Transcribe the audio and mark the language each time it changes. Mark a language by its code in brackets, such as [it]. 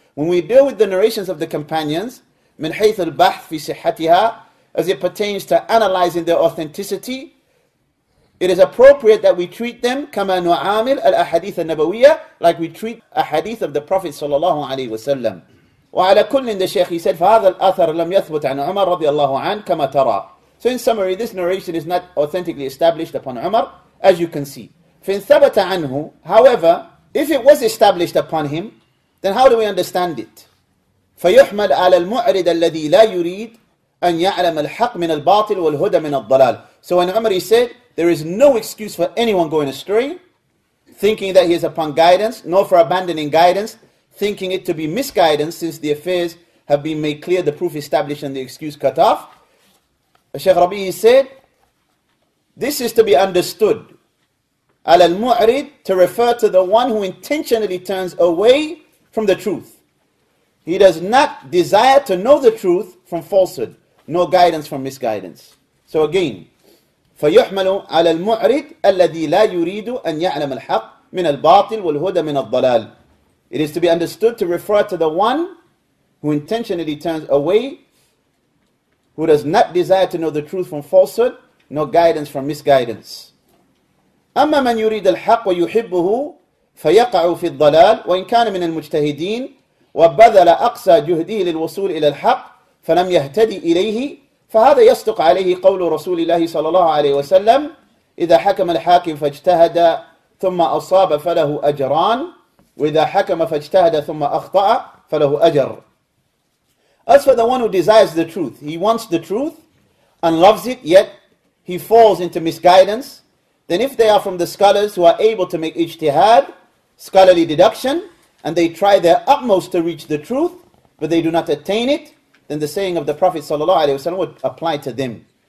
[en] When we deal with the narrations of the companions, [ar] من حيث البحث في صحتها, [en] as it pertains to analyzing their authenticity, it is appropriate that we treat them [ar] كما نعامل الأحاديث النبوية, [en] like we treat a hadith of the Prophet [ar] صلى الله عليه وسلم. وعلى كل إن الشيخ [en] he said, [ar] فهذا الأثر لم يثبت عن عمر رضي الله عنه كما ترى. [en] So in summary, this narration is not authentically established upon عمر, as you can see. [ar] فإن ثبت عنه, [en] however, if it was established upon him, then how do we understand it? [ar] فيحمل على المعرض الذي لا يريد أن يعلم الحق من الباطل والهدى من الضلال. [en] So when عمر he said, there is no excuse for anyone going astray, thinking that he is upon guidance, nor for abandoning guidance, thinking it to be misguidance, since the affairs have been made clear, the proof established and the excuse cut off. Shaykh Rabi, he said, this is to be understood, al al-mu'rid, to refer to the one who intentionally turns away from the truth. He does not desire to know the truth from falsehood, nor guidance from misguidance. So again, [ar] فَيُحْمَلُ عَلَى الْمُعْرِدِ الَّذِي لَا يُرِيدُ أَنْ يَعْلَمَ الْحَقِّ مِنَ الْبَاطِلِ وَالْهُدَى مِنَ الضَّلَالِ. [en] It is to be understood to refer to the one who intentionally turns away, who does not desire to know the truth from falsehood, nor guidance from misguidance. [ar] أَمَّا مَنْ يُرِيدَ الْحَقِّ وَيُحِبُّهُ فَيَقَعُ فِي الضَّلَالِ وَإِنْ كَانَ مِنَ الْمُجْتَهِدِينَ وَبَذَلَ أَقْصَى جُهْدِهِ لِلْوَصُولِ إِلَى الْحَقِّ فَلَمْ يَهْتَدِ إِلَيْهِ فهذا يصدق عليه قول رسول الله صلى الله عليه وسلم إذا حكم الحاكم فاجتهد ثم أصاب فله أجران وإذا حكم فاجتهد ثم أخطأ فله أجر. [en] As for the one who desires the truth, he wants the truth and loves it, yet he falls into misguidance, then if they are from the scholars who are able to make ijtihad, scholarly deduction, and they try their utmost to reach the truth, but they do not attain it, then the saying of the Prophet ﷺ would apply to them.